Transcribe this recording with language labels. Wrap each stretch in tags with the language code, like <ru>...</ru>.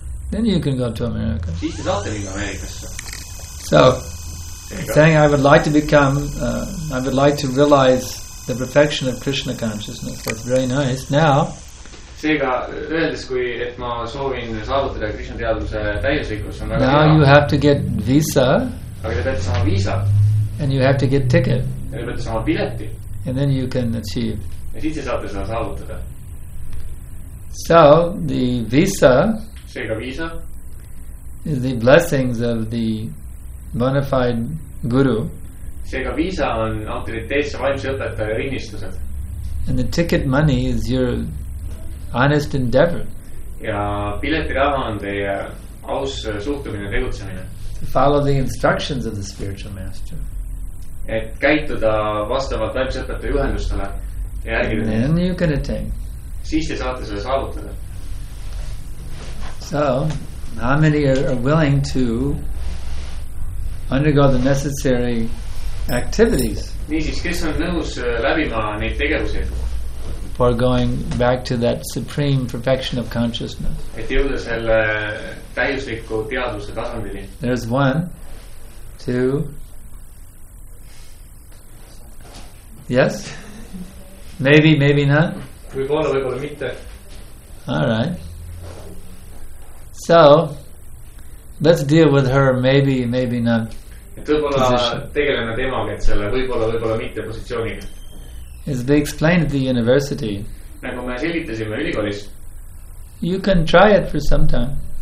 <en>then you can go to America.</en> <et>Siis te saate minna Amerikasse.</et> <en>So, saying I would like to become, I would like to realize the perfection of Krishna consciousness, that's very nice. Now,</en> <et>seega öeldes kui et ma soovin saavutada Krishna teaduse täiuslikkus on väga</et> <en>now</en> <et>hea.</et> <en>You have to get visa,</en> <et>aga te saama visa</et> <en>and you have to get ticket</en> <et>ja te saama bileti</et> <en>and then you can achieve</en> <et>ja siis te saate seda saavutada.</et> <en>So the visa,</en> <et>seega visa</et> <en>is the blessings of the bona fide guru,</en> <et>seega visa on autoriteetse vaimse õpetaja õnnistused</et> <en>and the ticket money is your honest endeavor.</en> <et>Ja pileti raha on teie aus suhtumine, tegutsemine.</et> <en>To follow the instructions of the spiritual master.</en> <et>Et käituda vastavalt vaimsõpetaja juhendustele.</et> <en>And then you can attain.</en> <et>Siis te saate seda saavutada.</et> <en>So, how many are willing to undergo the necessary activities?</en> <et>Nii siis, kes on nõus läbima neid tegevusi?</et> <en>For going back to that supreme perfection of consciousness.</en> <et>Et jõuda selle täiusliku teaduse tasandini.</et> <en>There's one, two, yes, maybe, maybe not.</en> <et>Võib-olla, võib-olla mitte.</et> <en>All right. So, let's deal with her maybe, maybe not</en> <et>et võib-olla</et> <en>position.</en> <et>Võib-olla tegeleme temaga, et selle võib-olla, võib-olla mitte positsiooniga.</et> <en>As they explained at the university,</en> <et>nagu me selitasime ülikoolis,</et> <en>you can try it for some time.</en>